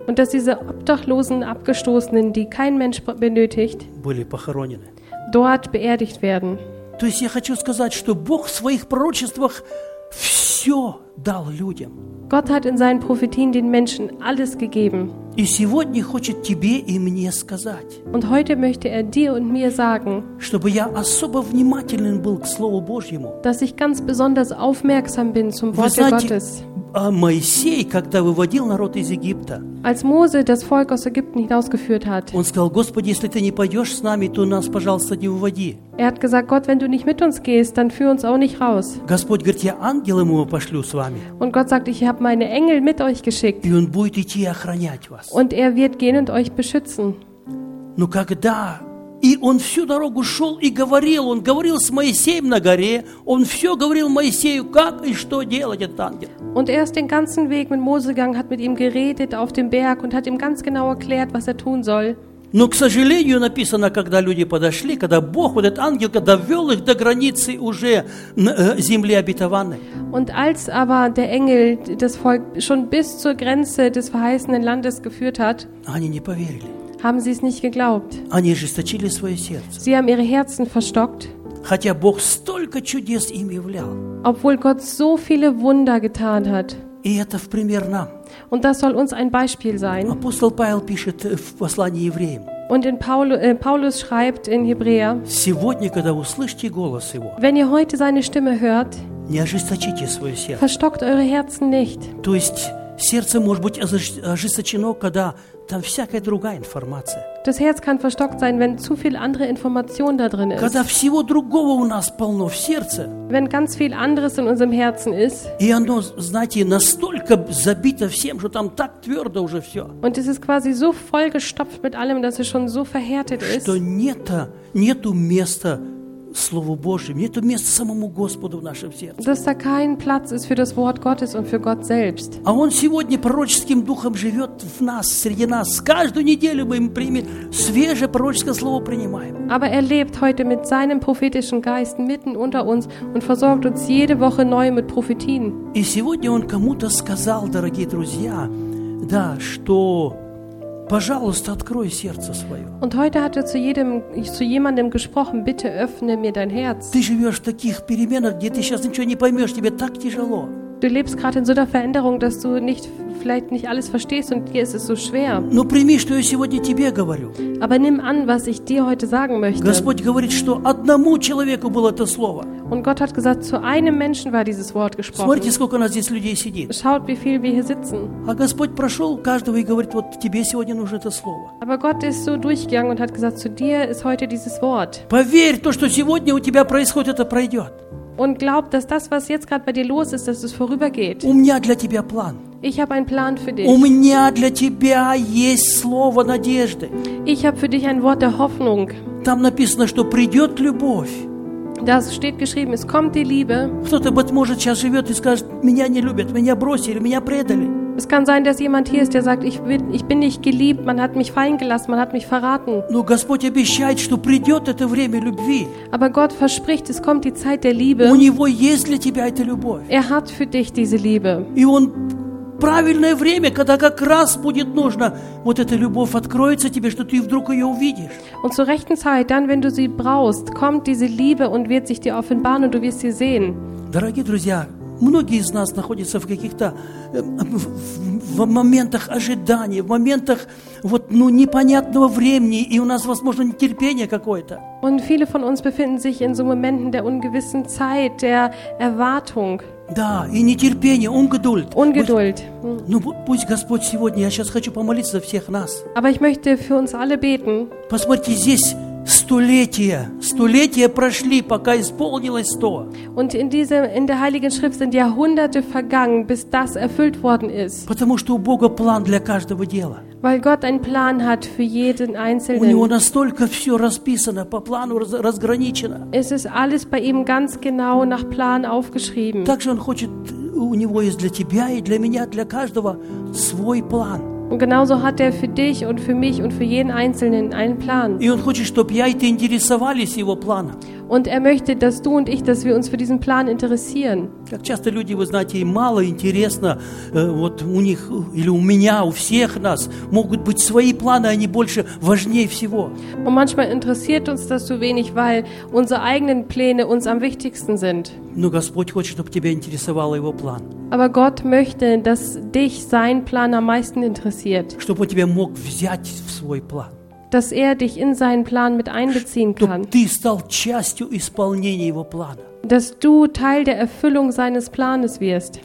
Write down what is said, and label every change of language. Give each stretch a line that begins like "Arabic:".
German: Und dass diese Obdachlosen, Abgestoßenen, die kein Mensch benötigt.
Russian: Были похоронены.
German: Dort beerdigt werden.
Russian: То есть я хочу сказать, что Бог в своих пророчествах все дал людям.
German: Gott hat in seinen Prophetien den Menschen alles gegeben.
Russian: И сегодня хочет тебе и мне сказать.
German: Und heute möchte dir und mir sagen.
Russian: Чтобы я особо внимателен был к Слову Божьему.
German: Dass ich ganz besonders aufmerksam bin zum Wort Gottes.
Russian: А Моисей, когда выводил народ из Египта,
German: als Mose das Volk aus Ägypten hinausgeführt hat,
Russian: он сказал: Господи, если ты не пойдешь с нами, то нас, пожалуйста, не выводи.
German: Er hat gesagt: Gott, wenn du nicht mit uns gehst, dann führ uns auch nicht raus.
Russian: Господь говорит: я ангелом его пошлю с вами.
German: Und Gott sagt: ich habe meine Engel mit euch geschickt.
Russian: И он будет идти охранять вас.
German: Und wird gehen und euch beschützen.
Russian: Но когда И он всю дорогу шел и говорил, он говорил с Моисеем на горе, он все говорил Моисею, как и что делать этот ангел.
German: Und er ist den ganzen Weg mit Mose gegangen, hat mit ihm geredet auf dem Berg und hat ihm ganz genau erklärt, was er tun soll.
Russian: Но, к сожалению, написано, когда люди подошли, когда Бог, вот этот ангел, когда вел их до границы уже земли обетованной.
German: Und als aber der Engel das Volk schon bis zur Grenze des verheißenen Landes geführt hat,
Russian: они не поверили.
German: Haben sie es nicht geglaubt.
Russian: Они ожесточили свое сердце.
German: Sie haben ihre Herzen verstockt.
Russian: Хотя Бог столько чудес им являл.
German: Obwohl Gott so viele Wunder getan hat.
Russian: И это в пример нам.
German: Und das soll uns ein Beispiel sein.
Russian: Апостол Павел пишет в послании евреям.
German: Und in Paulus schreibt in Hebräer.
Russian: Сегодня, когда услышите голос его.
German: Wenn ihr heute seine Stimme hört.
Russian: Не ожесточите свое сердце.
German: Verstockt eure Herzen nicht.
Russian: То есть сердце может быть ожесточено, когда там всякая другая информация.
German: Das Herz kann verstockt sein, wenn zu viel andere Information da drin ist.
Russian: Когда всего другого у нас полно в сердце.
German: Wenn ganz viel anderes in unserem Herzen ist.
Russian: И оно, знаете, настолько забито всем, что там так твердо уже все.
German: Und es ist quasi so vollgestopft mit allem, dass es schon so verhärtet ist.
Russian: Что нету места Слову Божьему, нету места самому Господу в нашем сердце.
German: Dass da kein Platz ist für das Wort Gottes und für Gott selbst.
Russian: А он сегодня пророческим духом живет в нас, среди нас. Каждую неделю мы свежее пророческое слово принимаем.
German: Aber er lebt heute mit seinem prophetischen Geist mitten unter uns und versorgt uns jede Woche neu mit Prophetien.
Russian: И сегодня он кому-то сказал, дорогие друзья, да, что пожалуйста, открой сердце свое.
German: Und heute hat er zu jemandem gesprochen, bitte öffne mir dein Herz.
Russian: Ты живешь в таких переменах, где ты сейчас ничего не поймешь, тебе так тяжело.
German: Du lebst gerade in so einer Veränderung, dass du nicht, vielleicht nicht alles verstehst und dir ist es so schwer.
Russian: Но прими, что я сегодня тебе говорю.
German: Aber nimm an, was ich dir heute sagen möchte.
Russian: Господь говорит, что одному человеку было это слово.
German: Und Gott hat gesagt, zu einem Menschen war dieses Wort gesprochen.
Russian: Смотрите, сколько у нас здесь людей сидит.
German: Schaut, wie viel wir hier sitzen.
Russian: А Господь прошел каждого и говорит, вот тебе сегодня нужно это слово.
German: Aber Gott ist so durchgegangen und hat gesagt, zu dir ist heute dieses Wort.
Russian: Поверь, то, что сегодня у тебя происходит, это пройдет.
German: Und glaub, dass das, was jetzt gerade bei dir los ist, dass es vorübergeht.
Russian: У меня для тебя план.
German: Ich habe einen Plan für dich.
Russian: У меня для тебя есть слово надежды.
German: Ich habe für dich ein Wort der Hoffnung.
Russian: Там написано, что придет любовь.
German: Da steht geschrieben, es kommt die Liebe.
Russian: Кто-то, быть может, сейчас живет и скажет, меня не любят, меня бросили, меня предали.
German: Es kann sein, dass jemand hier ist, der sagt, ich bin nicht geliebt, man hat mich fallen gelassen, man hat mich verraten.
Russian: Но Господь обещает, что придет это время любви.
German: Aber Gott verspricht, es kommt die Zeit der Liebe.
Russian: У него есть для тебя эта любовь.
German: Er hat für dich diese Liebe.
Russian: И он правильное время, когда как раз будет нужно, вот эта любовь откроется тебе, что ты вдруг ее увидишь.
German: Und zur rechten Zeit, dann wenn du sie brauchst, kommt diese Liebe und wird sich dir offenbaren und du wirst sie sehen.
Russian: Дорогие друзья, многие из нас находятся в каких-то в моментах ожидания, в моментах вот, ну, непонятного времени, и у нас, возможно, нетерпение какое-то.
German: Und viele von uns befinden sich in so Momenten der ungewissen Zeit, der Erwartung.
Russian: Да, и нетерпение,
German: ungeduld. Ungeduld.
Russian: Ну, пусть Господь сегодня, я сейчас хочу помолиться за всех нас.
German: Aber ich möchte für uns alle beten.
Russian: Посмотрите, здесь столетия прошли, пока исполнилось то.
German: Und in der Heiligen Schrift sind Jahrhunderte vergangen, bis das erfüllt worden ist.
Russian: Потому что у Бога план для каждого дела.
German: Weil Gott einen Plan hat für jeden Einzelnen.
Russian: У него настолько все расписано, по плану разграничено.
German: Es ist alles bei ihm ganz genau nach Plan aufgeschrieben.
Russian: Также он хочет, у него есть для тебя и для меня, для каждого свой план.
German: Und genauso hat er für dich und für mich und für jeden Einzelnen einen Plan.
Russian: И он хочет, чтобы я и ты интересовались его планом.
German: Und er möchte, dass du und ich, dass wir uns für diesen Plan interessieren.
Russian: Как часто люди, вы знаете, мало интересно, вот у них или у меня, у всех нас могут быть свои планы, они больше важнее всего.
German: Und manchmal interessiert uns das so wenig, weil unsere eigenen Pläne uns am wichtigsten sind.
Russian: Но Господь хочет, чтобы тебя интересовал его план.
German: Aber Gott möchte, dass dich sein Plan am meisten interessiert.
Russian: Чтобы он тебя мог взять в свой план.
German: Dass er dich in seinen Plan mit einbeziehen kann.
Russian: Ты стал частью исполнения его плана.
German: Dass du Teil der Erfüllung seines Planes wirst.